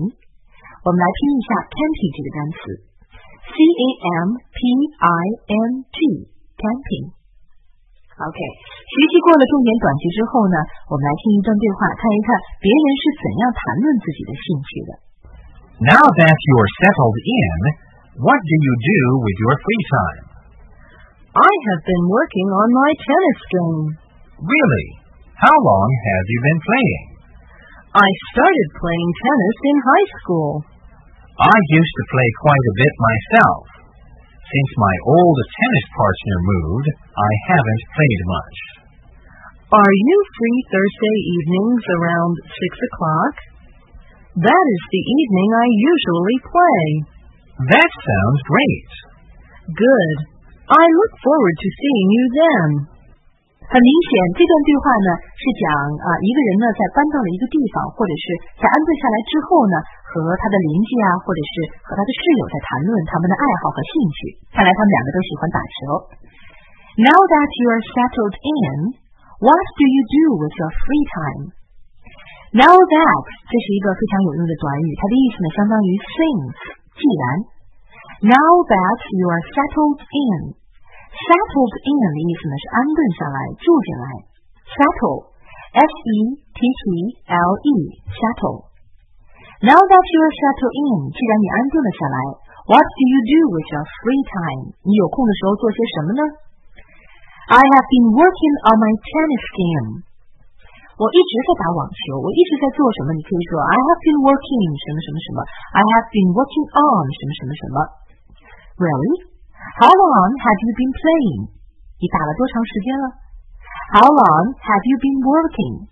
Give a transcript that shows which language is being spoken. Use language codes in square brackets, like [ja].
[zh] 我们来听一下 camping 这个单词 ，c a m p i n g， camping。 OK， 学习过了重点短句之后呢，我们来听一段对话，看一看别人是怎样谈论自己的兴趣的。 [en] Now that you're settled in, what do you do with your free time? I have been working on my tennis game. Really? How long have you been playing? I started playing tennis in high school. I used to play quite a bit myself. Since my old tennis partner moved, I haven't played much. Are you free Thursday evenings around 6 o'clock? That is the evening I usually play. That sounds great. Good. I look forward to seeing you then. [zh] 很明显，这段对话呢是讲啊，一个人呢在搬到了一个地方，或者是在安顿下来之后呢，和他的邻居啊，或者是和他的室友在谈论他们的爱好和兴趣。看来他们两个都喜欢打球。 [en] Now that you are settled in, what do you do with your free time? [zh] Now that 这是一个非常有用的短语，它的意思呢相当于 since 既然。 [en] Now that you are settled in. Settled in [zh] 的意思呢是安顿下来、住进来。 [en] Settle, S-E-T-T-L-E, settle. Now that you are settled in, [zh] 既然你安顿了下来 [en] ，What do you do with your free time? [zh] 你有空的时候做些什么呢 [en] ？I have been working on my tennis game. [zh] 我一直在打网球，我一直在做什么？你可以说 [en] I have been working [zh] 什么什么什么。 [en] I have been working on [zh] 什么什么什么。 [en] Really? How long have you been playing? [zh] 你打了多长时间了 [en] ？How long have you been working?